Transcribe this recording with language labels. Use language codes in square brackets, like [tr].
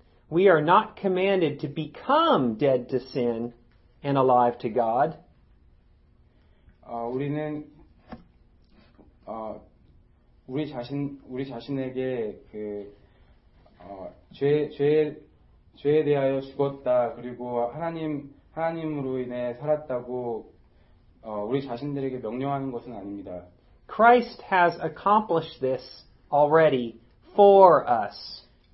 [en] We are not commanded to become dead to sin and alive to God. [ko] 우리는 우리 자신에게 그 죄에 대하여 죽었다 그리고 하나님으로 인해 살았다고 우리 자신들에게 명령하는 것은 아닙니다. [en] Christ has accomplished this already for us.